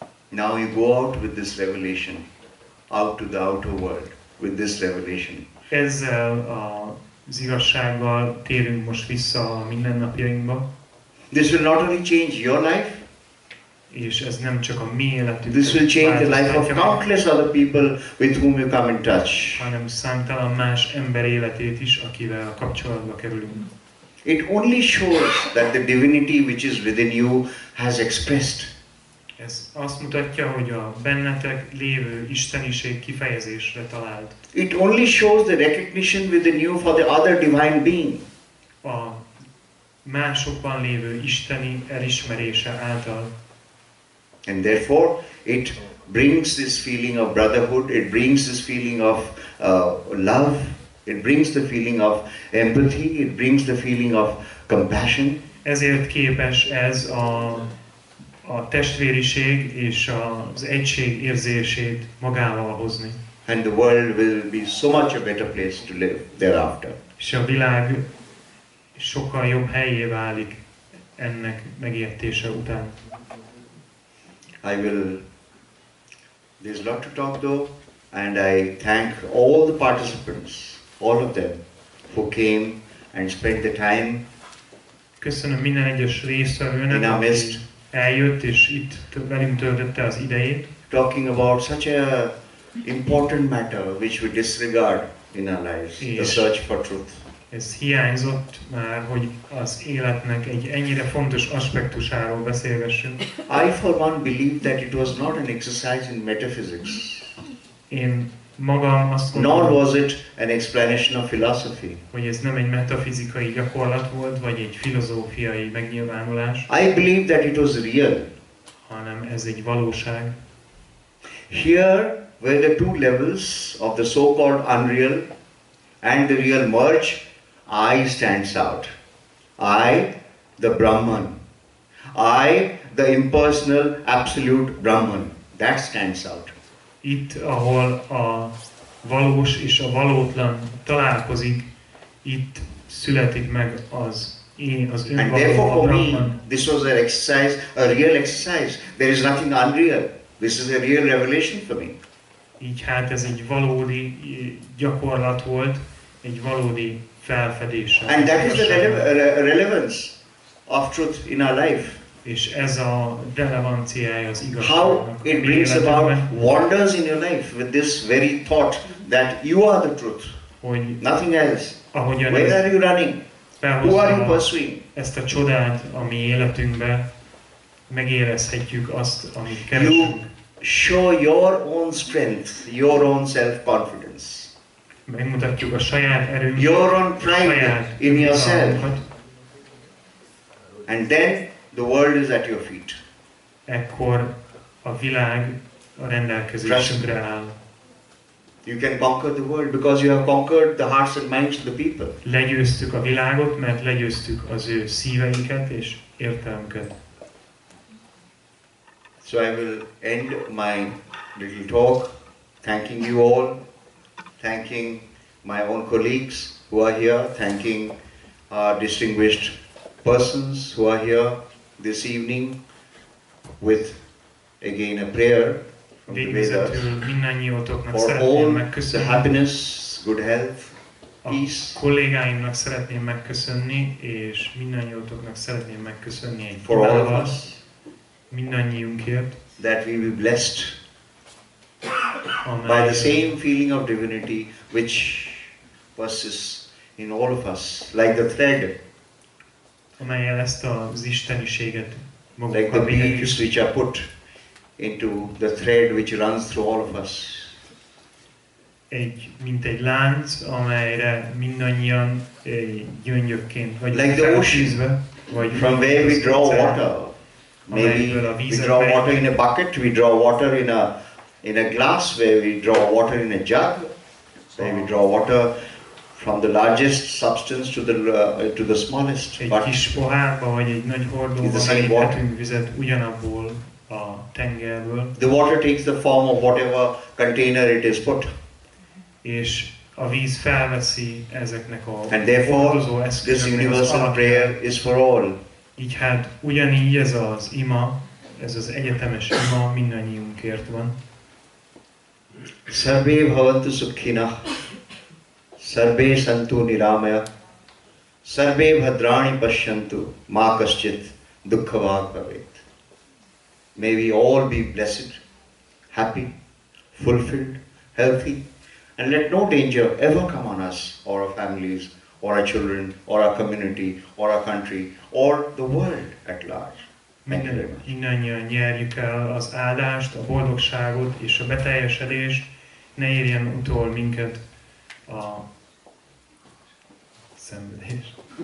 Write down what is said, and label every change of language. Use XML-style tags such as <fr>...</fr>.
<en>Now you go out with this revelation, out to the outer world, with this revelation.</en> <hu>Ezzel az igazsággal térünk most vissza a mindennapjainkba.</hu> <en>This will not only change your life,</en> <hu>és ez nem csak a mi életünk.</hu> <en>This will change the life of countless other people with whom you come in touch.</en> <hu>Hanem számtalan más ember életét is, akivel kapcsolatba kerülünk.</hu> <en>It only shows that the divinity which is within you has expressed.</en> <hu>Ez azt mutatja, hogy a bennetek lévő isteniség kifejezésre talált.</hu> <en>It only shows the recognition within you for the other divine being.</en> <hu>A másokban lévő isteni elismerése által.</hu> <en>And therefore, it brings this feeling of brotherhood, it brings this feeling of love, it brings the feeling of empathy, it brings the feeling of compassion.</en> <hu>Ezért képes ez a testvériség és az egység érzését magával hozni.</hu> <en>And the world will be so much a better place to live thereafter.</en> <hu>És a világ sokkal jobb helyé válik ennek megértése után.</hu> <en>I will, there's a lot to talk though, and I thank all the participants, all of them, who came and spent the time.</en> <hu>Köszönöm minden egyes résztvevőnek, aki eljött és itt velünk töltötte az idejét.</hu> <en>Talking about such a important matter which we disregard in our lives, the search for truth.</en> <hu>Ez hiányzott már, hogy az életnek egy ennyire fontos aspektusáról beszélgessünk.</hu> <en>I for one believe that it was not an exercise in metaphysics.</en> <hu>Én magam azt mondom,</hu> <en>nor was it an explanation of philosophy.</en> <hu>Hogy ez nem egy metafizikai gyakorlat volt, vagy egy filozófiai megnyilvánulás.</hu> <en>I believe that it was real.</en> <hu>Hanem ez egy valóság.</hu> <en>Here were the two levels of the so-called unreal and the real merge. I stands out. I, the Brahman. I, the impersonal, absolute Brahman. That stands out.</en> <hu>Itt, ahol a valós és a valótlan találkozik, itt születik meg az én, az önvaló.</hu> <en>And therefore for me, this was an exercise, a real exercise. There is nothing unreal. This is a real revelation for me.</en> <hu>Így hát ez egy valódi gyakorlat volt, egy valódi felfedése.</hu> <en>And that is the relevance of truth in our life.</en> <hu>És ez a relevanciája az igazságnak.</hu> <en>How it brings about wonders in your life with this very thought that you are the truth.</en> <hu>Hogy</hu> <en>nothing else.</en> <hu>ahogyan ez,</hu> <en>are you running? Who are you pursuing?</en> <hu>Ezt a csodát a mi életünkbe megérezhetjük azt, amit keresünk.</hu> <en>You show your own strength, your own self-confidence.</en> <hu>Megmutatjuk a saját erőnket.</hu> <en>Your own pride in yourself. And then the world is at your feet.</en> <hu>Ekkor a világ a rendelkezésünkre áll.</hu> <en>You can conquer the world because you have conquered the hearts and minds of the people.</en> <hu>Legyőztük a világot, mert legyőztük az ő szíveinket és értelmüket.</hu> <en>So I will end my little talk thanking you all, thanking my own colleagues who are here, thanking our distinguished persons who are here this evening with again a prayer. For all the happiness, good health, peace.</en> <hu>A kollégáimnak szeretném megköszönni, és mindannyiótoknak szeretném megköszönni egy</hu> <en>for all of us,</en> <hu>mindannyiunkért,</hu> <en>that we be blessed by the same feeling of divinity which passes in all of us, like the thread.</en> <hu>Amelyel ezt az isteniséget magukkal vigyük.</hu> <en>Like the beads which are put into the thread which runs through all of us.</en> <hu>Egy, mint egy lánc, amelyre mindannyian gyöngyökként vagy</hu> <en>like the ocean,</en> <hu>vagy</hu> <en>from where we draw water. Maybe we draw water in a bucket, we draw water in a glass, where we draw water in a jug, where we draw water from the largest substance to the smallest.</en> <hu>Egy kis pohárba vagy egy nagy hordóban építhetünk vizet ugyanabból a tengerből.</hu> <en>The water takes the form of whatever container it is put.</en> <hu>És a víz felveszi ezeknek a hordozó eszközöknek.</hu> <en>And therefore, this universal prayer is for all.</en> <hu>Így hát ugyanígy ez az ima, ez az egyetemes ima mindannyiunkért van.</hu> <sa>Sarve bhavantu sukhinah, sarve santu niramaya, sarve bhadrani pasyantu, ma kaschit dukkhavag bhavet.</sa> <en>May we all be blessed, happy, fulfilled, healthy, and let no danger ever come on us or our families, or our children, or our community, or our country, or the world at large.</en> <hu>Mindannyian nyerjük el az áldást, a boldogságot és a beteljesedést. Ne érjen utol minket a szenvedés.</hu>